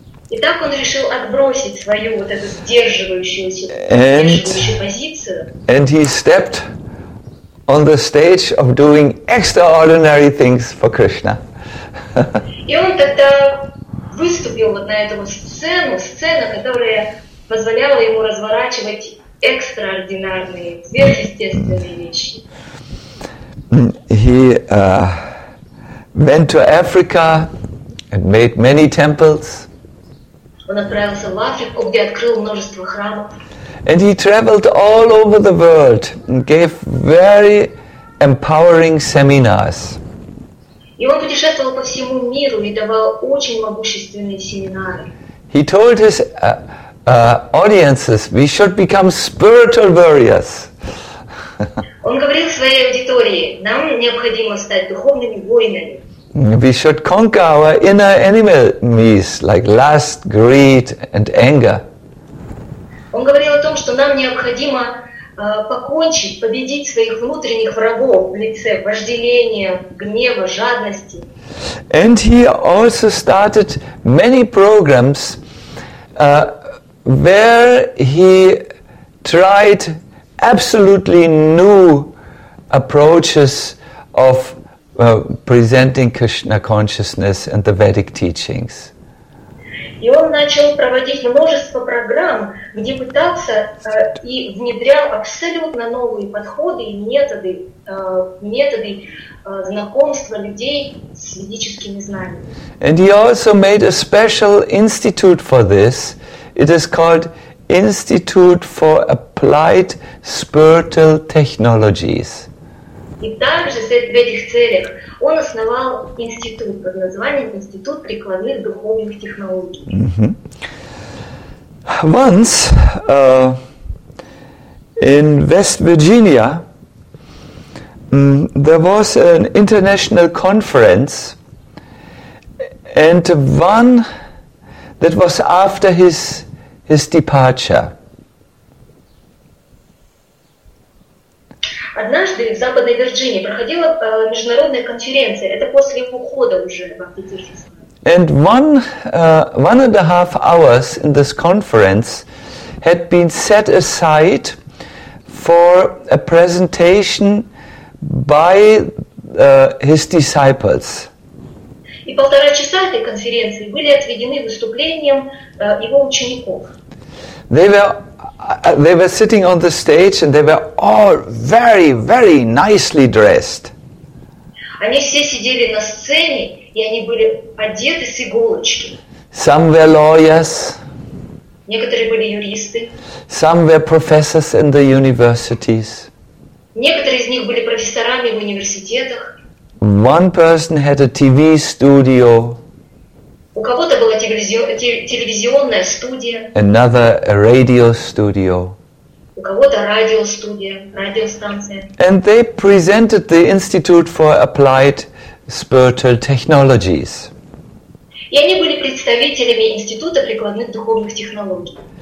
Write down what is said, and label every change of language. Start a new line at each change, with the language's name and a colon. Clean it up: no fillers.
Russian: И так он решил отбросить свою вот эту сдерживающую позицию.
English: And he stepped on the stage of doing extraordinary things for Krishna.
Russian: И он тогда выступил вот на эту сцену, которая позволяла ему разворачивать экстраординарные, сверхъестественные вещи.
English: He went to Africa and made many temples.
Russian: Он отправился в Африку, где открыл множество храмов.
English: And he traveled all over the world and gave very empowering seminars.
Russian: И он путешествовал по всему миру и давал очень могущественные семинары.
English: He told his audiences, we should become spiritual warriors.
Russian: Он говорил своей аудитории: нам необходимо стать духовными воинами.
English: We should conquer our inner enemies like lust, greed, and anger.
Russian: Он говорил о том, что нам необходимо покончить, победить своих внутренних врагов в лице вожделения, гнева, жадности.
English: And he also started many programs where he tried absolutely new approaches of presenting Krishna consciousness and the Vedic teachings.
Russian: И он начал проводить множество программ, где пытался и внедрял абсолютно новые подходы и методы, методы знакомства людей с ведическими знаниями.
English: And he also made a special institute for this. It is called Institute for Applied Spiritual Technologies.
Russian: И также в этих целях он основал институт под названием Институт прикладных духовных технологий. Mm-hmm.
English: Once in West Virginia there was an international conference, and one that was after his departure.
Russian: Однажды в Западной Вирджинии проходила международная конференция. Это после его ухода уже в Афганистан.
English: And one and a half hours in this conference had been set aside for a presentation by his disciples.
Russian: И полтора часа этой конференции были отведены выступлением его учеников.
English: They were sitting on the stage, and they were all very, very nicely dressed.
Russian: Они все сидели на сцене, и они были одеты с иголочки.
English: Some were lawyers.
Russian: Некоторые были юристы.
English: Some were professors in the universities.
Russian: Некоторые из них были профессорами в университетах.
English: One person had a TV studio.
Russian: У кого-то была телевизионная студия.
English: Another a radio studio.
Russian: У кого-то радиостудия, радиостанция.
English: And they presented the Institute for Applied Spiritual Technologies.
Russian: И они были представителями Института прикладных духовных технологий.